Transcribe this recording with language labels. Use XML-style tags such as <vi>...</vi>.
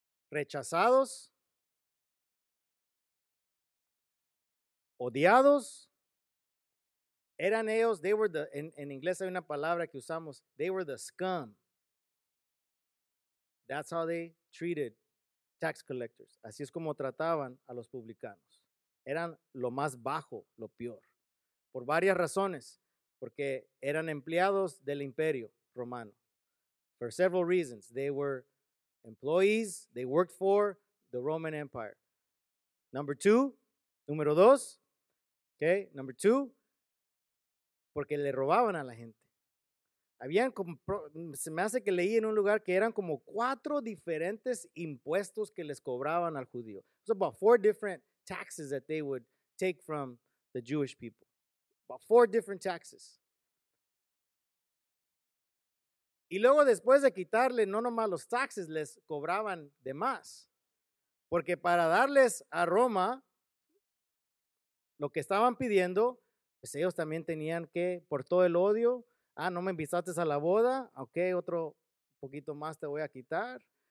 <es>Rechazados, odiados, eran ellos,</es> <en>they were the,</en> <es>en inglés hay una palabra que usamos,</es> <en>they were the scum. That's how they treated tax collectors.</en> <es>Así es como trataban a los publicanos. Eran lo más bajo, lo peor. Por varias razones, porque eran empleados del imperio romano.</es> <en>For several reasons, they were employees, they worked for the Roman Empire. Number two,</en> <es>número dos,</es> <en>okay, number two,</en> <es>porque le robaban a la gente. Habían, se me hace que leí en un lugar que eran como cuatro diferentes impuestos que les cobraban al judío.</es> <en>It's about four different taxes that they would take from the Jewish people. About four different taxes.</en> <es>Y luego después de quitarle no nomás los taxes, les cobraban de más. Porque para darles a Roma lo que estaban pidiendo, pues ellos también tenían que, por todo el odio, ah, no me invitaste a la boda, ok, otro poquito más te voy a quitar.</es>